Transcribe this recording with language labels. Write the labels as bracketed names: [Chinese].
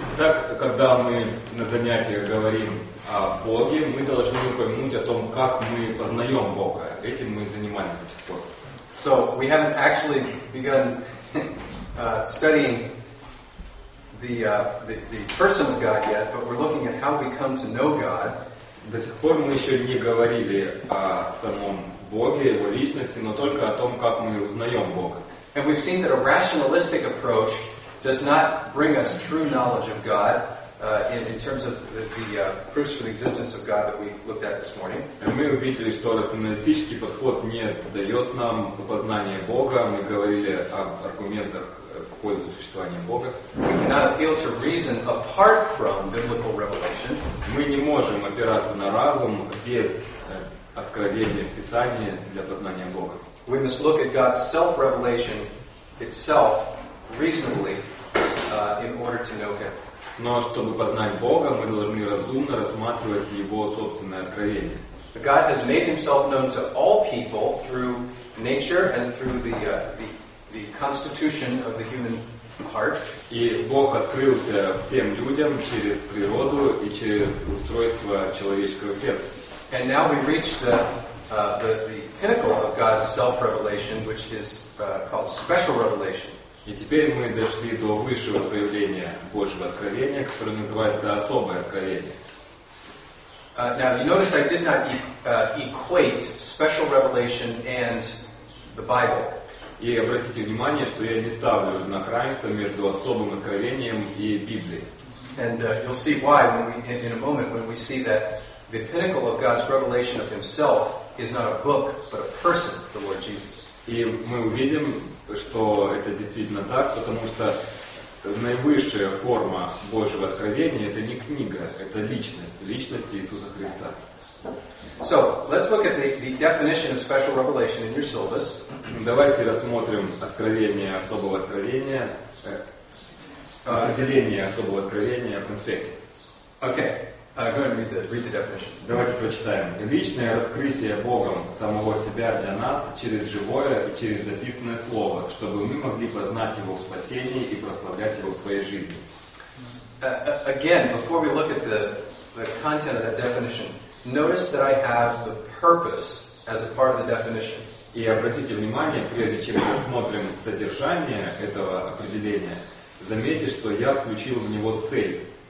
[Russian] Так, когда мы на занятиях говорим о Боге, мы должны упомянуть о том, как мы познаем Бога. Этим мы и занимались до сих пор. [English] So we haven't actually begun studying the person of God yet, but we're looking at how we come to know God. [Russian] До сих пор мы еще не говорили о самом Боге, его личности, но только о том, как мы узнаем Бога. [English] And we've seen that a rationalistic approach does not bring us true knowledge of God in terms of the proofs for the existence of God that we looked at this morning. [Russian] And мы увидели, что рационалистический подход не дает нам познание Бога. Мы говорили об аргументах в пользу существования Бога. [English] We cannot appeal to reason apart from biblical revelation. [Russian] Мы не можем опираться на разум без откровения в Писании для познания Бога. [English] We must look at God's self-revelation itself reasonably in order to know Him. [Russian] Но чтобы познать Бога, мы должны разумно рассматривать Его собственное откровение. [English] God has made Himself known to all people through nature and through the constitution of the human heart. [Russian] И Бог открылся всем людям через природу и через устройство человеческого сердца. [English] And now we reach the pinnacle of God's self-revelation, which is called special revelation. [Russian] И теперь мы дошли до высшего проявления Божьего откровения, которое называется особое откровение. [English] Now you notice I did not equate special revelation and the Bible. [Russian] И обратите внимание, что я не ставлю знак равенства между особым откровением и Библией. [English] And you'll see why when we see that the pinnacle of God's revelation of Himself is not a book, but a person, the Lord Jesus. [Russian] И мы увидим, что это действительно так, потому что наивысшая форма Божьего откровения — это не книга, это личность, личность Иисуса Христа. [English] So, let's look at the definition of special revelation in your syllabus. [Russian] Давайте рассмотрим откровение особого откровения, определение особого откровения в конспекте. [English] Okay. Go ahead and read the definition. [Russian] Давайте прочитаем. Личное раскрытие Богом самого себя для нас через живое и через записанное слово, чтобы мы могли познать Его в спасении и прославлять Его в своей жизни. [English] Again, before we look at the content of that definition, notice that I have the purpose as a part of the definition. [Russian] И обратите внимание, прежде чем мы рассмотрим содержание этого определения, заметьте, что я включил в него цель.